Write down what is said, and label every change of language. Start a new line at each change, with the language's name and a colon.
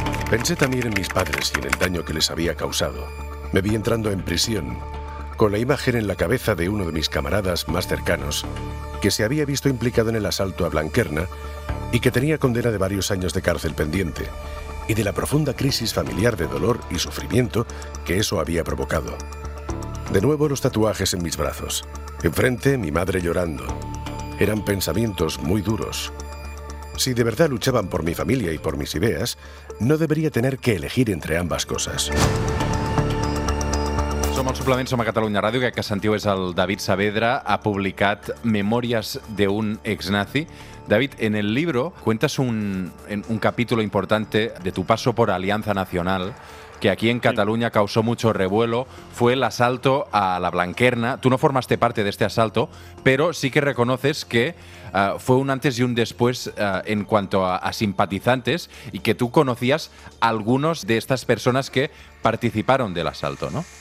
Spanish: Pensé también en mis padres y en el daño que les había causado. Me vi entrando en prisión, con la imagen en la cabeza de uno de mis camaradas más cercanos, que se había visto implicado en el asalto a Blanquerna y que tenía condena de varios años de cárcel pendiente, y de la profunda crisis familiar de dolor y sufrimiento que eso había provocado. De nuevo los tatuajes en mis brazos. Enfrente, mi madre llorando. Eran pensamientos muy duros. Si de verdad luchaban por mi familia y por mis ideas, no debería tener que elegir entre ambas cosas.
Catalan: Som al Suplement, som a Catalunya Ràdio. Aquest que sentiu és el David Saavedra, ha publicat Memòries d'un exnazi.
Spanish: David, en el libro cuentas un capítulo importante de tu paso por Alianza Nacional, que aquí en Cataluña causó mucho revuelo, fue el asalto a la Blanquerna. Tú no formaste parte de este asalto, pero sí que reconoces que fue un antes y un después en cuanto a simpatizantes y que tú conocías a algunos de estas personas que participaron del asalto, ¿no?